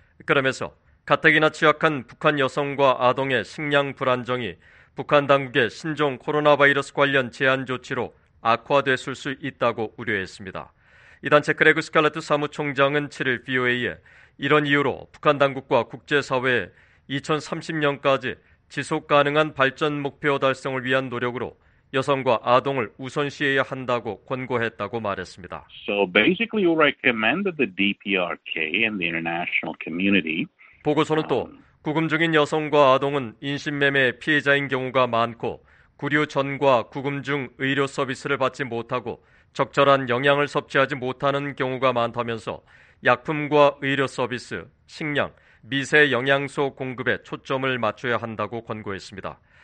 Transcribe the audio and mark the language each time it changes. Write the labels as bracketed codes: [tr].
[ko] 그러면서 가뜩이나 취약한 북한 여성과 아동의 식량 불안정이 북한 당국의 신종 코로나 바이러스 관련 제한 조치로 악화됐을 수 있다고 우려했습니다. 이 단체 그레그 스칼레트 사무총장은 7일 VOA에 이런 이유로 북한 당국과 국제사회에 2030년까지 지속가능한 발전 목표 달성을 위한 노력으로 여성과 아동을 우선시해야 한다고 권고했다고 말했습니다. [en] So basically we recommend the DPRK and the international community. [ko] 보고서는 또 구금 중인 여성과 아동은 인신매매 피해자인 경우가 많고 구류 전과 구금 중 의료 서비스를 받지 못하고 적절한 영양을 섭취하지 못하는 경우가 많다면서 약품과 의료 서비스, 식량, 미세 영양소 공급에 초점을 맞춰야 한다고 권고했습니다.